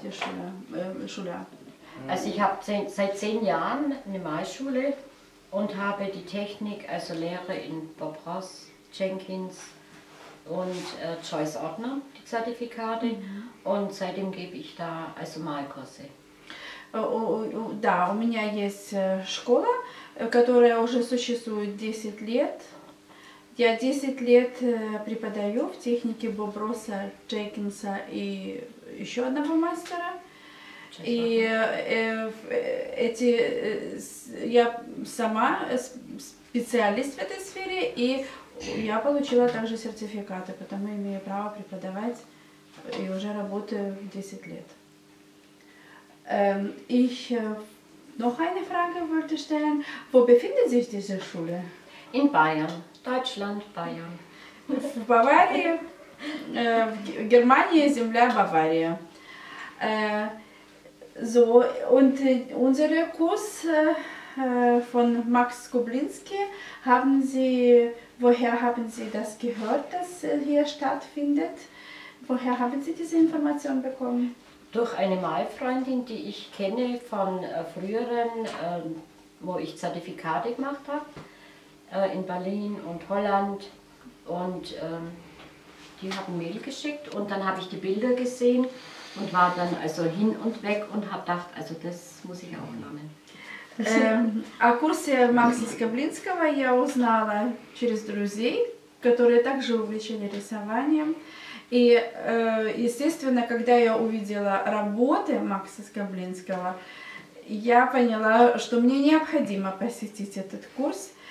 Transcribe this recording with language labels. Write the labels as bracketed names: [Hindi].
[German] die Schule. Also ich habe seit 10 Jahren eine Malschule und habe die Technik, also Lehre in Bob Ross, Jenkins und Joyce Ordner, die Zertifikate, und seitdem gebe ich da also Malkurse. [Russian] Да, у меня есть школа, которая уже существует 10 лет. Я 10 лет преподаю в технике Боб Росса, Джейкинса и еще одного мастера. И эти, я сама специалист в этой сфере, и я получила также сертификаты, потому имею право преподавать и уже работаю 10 лет. [German] Ich noch eine Frage wollte stellen. Wo befindet sich diese Schule? In Bayern, Deutschland, Bayern. [Russian] Bavaria, Germania, Земля, Bavaria. [German] So, und unser Kurs von Max Koblinski, haben Sie, woher haben Sie das gehört, dass hier stattfindet? Woher haben Sie diese Information bekommen? Durch eine Malfreundin, die ich kenne von früheren, wo ich Zertifikate gemacht habe, in Berlin und Holland. Und die hat ein Mail geschickt und dann habe ich die Bilder gesehen und war dann also hin und weg und habe gedacht, also das muss ich auch lernen. [Russian] О курсе Макса Скоблинского я узнала через друзей, которые также увлечены рисованием. И, естественно, когда я увидела работы Макса Скоблинского, я поняла, что мне необходимо посетить этот курс.